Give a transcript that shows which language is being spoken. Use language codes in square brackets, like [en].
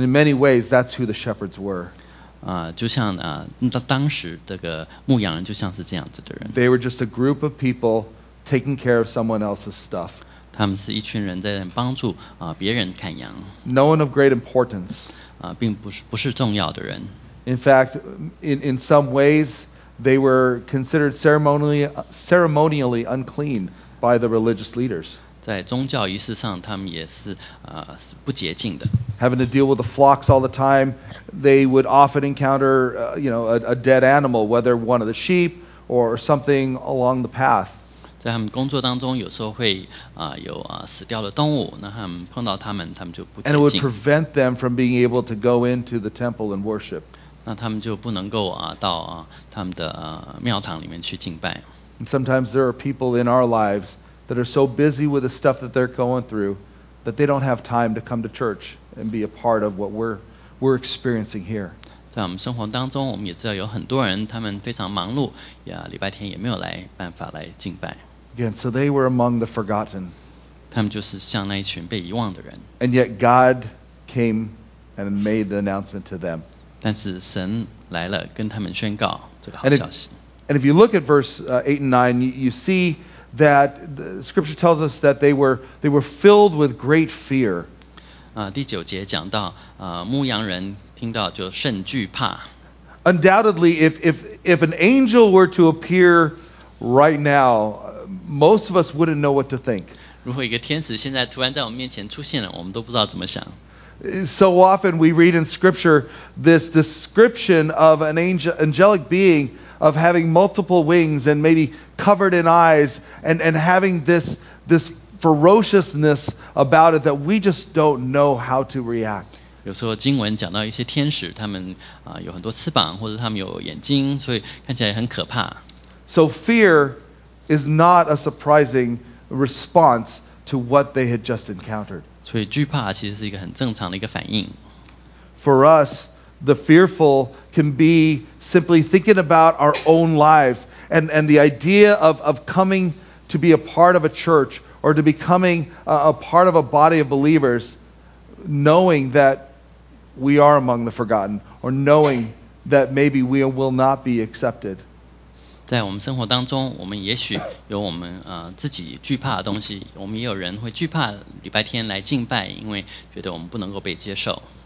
[en] And in many ways, that's who the shepherds were. [zh] 就像当时这个牧羊人就像是这样子的人。 [en] They were just a group of people taking care of someone else's stuff. [zh] 他们是一群人在帮助别人看羊。 [en] No one of great importance. [zh] 并不是重要的人。 [en] In fact, in some ways, they were considered ceremonially unclean by the religious leaders. [zh] 在宗教仪式上，他们也是不洁净的。 [en] Having to deal with the flocks all the time, they would often encounter, a dead animal, whether one of the sheep or something along the path. [zh] 在他们工作当中有时候会、有、死掉的动物那他们碰到他们他们就不接近 [en] And it would prevent them from being able to go into the temple and worship. [zh] 那他们就不能够、到、他们的、庙堂里面去敬拜 [en] And sometimes there are people in our lives that are so busy with the stuff that they're going through that they don't have time to come to church and be a part of what we're experiencing here. [zh] 在我们生活当中我们也知道有很多人他们非常忙碌呀礼拜天也没有来办法来敬拜。 [en] Again, so they were among the forgotten. [zh] 他们就是像那一群被遗忘的人。 [en] And yet God came and made the announcement to them. [zh] 但是神来了跟他们宣告这个好消息。 [en] And if you look at verse 8 and 9, you see that the scripture tells us that they were filled with great fear. [zh] 第九节讲到牧羊人听到就甚惧怕。 [en] Undoubtedly, if an angel were to appear right now, most of us wouldn't know what to think. [zh] 如果一个天使现在突然在我们面前出现了，我们都不知道怎么想。 [en] So often we read in scripture this description of an angelic being of having multiple wings and maybe covered in eyes and having this ferociousness about it that we just don't know how to react. [zh] 有时候经文讲到一些天使他们、有很多翅膀或者他们有眼睛所以看起来很可怕。 [en] So fear is not a surprising response to what they had just encountered. [zh] 所以惧怕其实是一个很正常的一个反应。 [en] For us,The fearful can be simply thinking about our own lives and the idea of coming to be a part of a church or to becoming a part of a body of believers, knowing that we are among the forgotten or knowing that maybe we will not be accepted. [zh] 在我们生活当中，我们也许有我们、自己惧怕的东西，我们也有人会惧怕礼拜天来敬拜，因为觉得我们不能够被接受。